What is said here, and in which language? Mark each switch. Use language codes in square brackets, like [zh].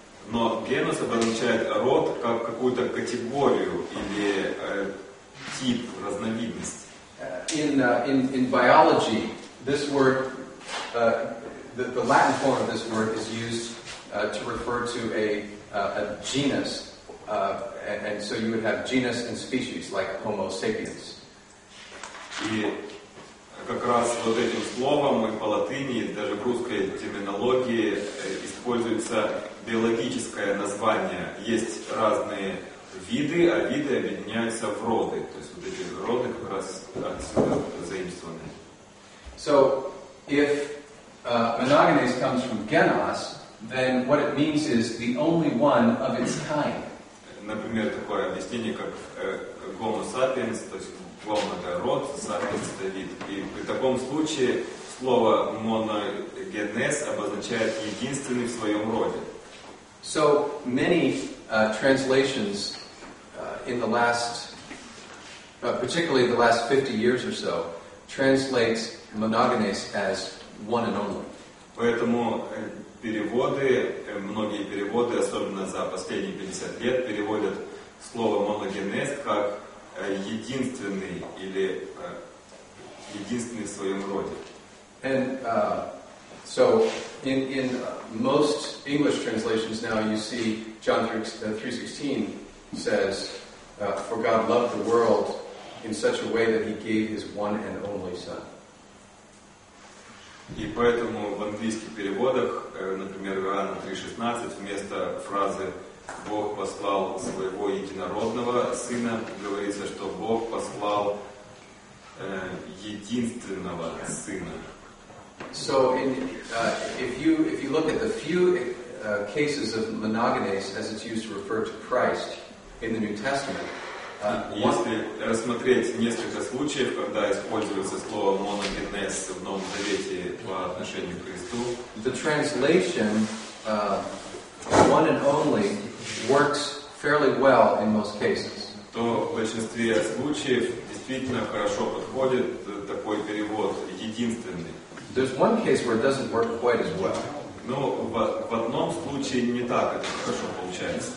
[ru] Но генос обозначает род как какую-то категорию или тип, разновидность. [en] In biology, this word the Latin form of this word is used to refer to a genus, and so you would have genus and species like Homo sapiens. [ru] И как раз вот этим словом и по латыни, даже в русской терминологии используется биологическое название. Есть разные виды, а виды объединяются в роды. То есть вот эти роды как раз отсюда заимствованы. [en] So if monogenes comes from genos, then what it means is the only one of its kind. [ru] Например, такое объяснение, как Homo sapiens, то есть Homo — это род, sapiens — это вид. И в таком случае слово моногенез обозначает единственный в своем роде. [en] So many translations in the last, particularly the last 50 years or so, translates monogenes as one and only. [ru] Поэтому переводы, многие переводы, особенно за последние 50 лет, переводят слово моногенез как единственный или единственный в своем роде. [en] And so in most English translations now you see John 3:16 says, for God loved the world in such a way that he gave his one and only son. [ru] И поэтому в английских переводах, например, Иоанна 3:16, вместо фразы «Бог послал своего единородного сына», говорится, что Бог послал единственного сына. [en] So in, if you look at the few cases of monogenes as it's used to refer to Christ in the New Testament, [ru] если рассмотреть несколько случаев, когда используется слово моногенез в Новом Завете по отношению к Христу, [en] the translation one and only works fairly well in most cases. [ru] То в большинстве случаев действительно хорошо подходит такой перевод единственный. [en] There's one case where it doesn't work quite as well. [ru] Но в одном случае не так это хорошо получается.